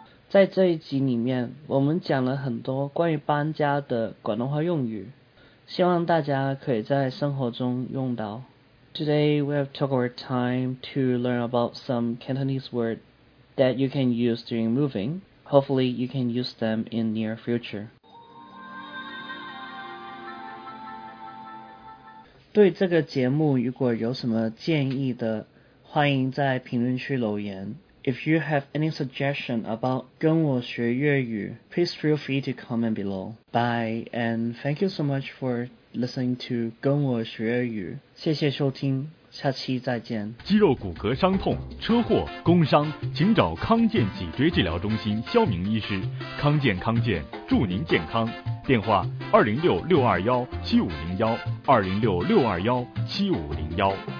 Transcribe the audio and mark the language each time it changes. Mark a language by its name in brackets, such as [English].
[Chinese] 在这一集里面，我们讲了很多关于搬家的广东话用语，希望大家可以在生活中用到。 [English] Today we have took our time to learn about some Cantonese words that you can use during moving. Hopefully you can use them in near future. [Chinese] 对这个节目如果有什么建议的，欢迎在评论区留言。 [English] If you have any suggestion about 跟我学粤语, please feel free to comment below. Bye, and thank you so much for listening to 跟我学粤语。 [Chinese] 谢谢收听，下期再见。肌肉骨骼伤痛、车祸、工伤，请找康健脊椎治疗中心肖明医师。康健康健，祝您健康。电话206-621-7501 206-621-7501